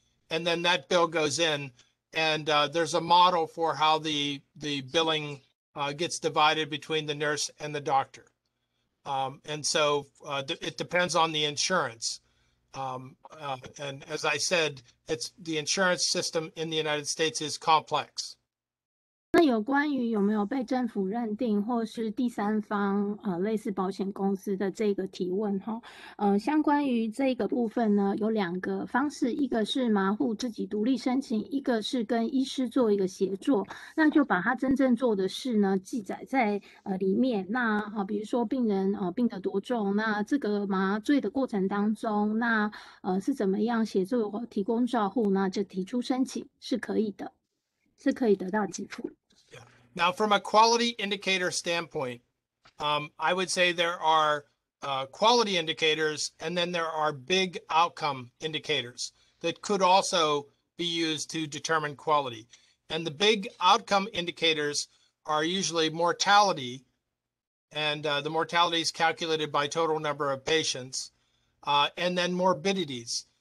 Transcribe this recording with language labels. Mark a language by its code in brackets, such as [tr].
[en] And then that bill goes in, and there's a model for how the billing gets divided between the nurse and the doctor. It depends on the insurance. And as I said, it's the insurance system in the United States is complex. [zh] 那有关于有没有被政府认定或是第三方类似保险公司的这个提问哈，相关于这个部分呢，有两个方式，一个是麻户自己独立申请，一个是跟医师做一个协作，那就把他真正做的事呢记载在里面。那比如说病人病得多重，那这个麻醉的过程当中，那是怎么样协作提供照护，那就提出申请是可以的。是可以得到给付。 [en] Yeah. Now, from a quality indicator standpoint, I would say there are quality indicators, and then there are big outcome indicators that could also be used to determine quality. And the big outcome indicators are usually mortality, and the mortality is calculated by total number of patients, and then morbidities.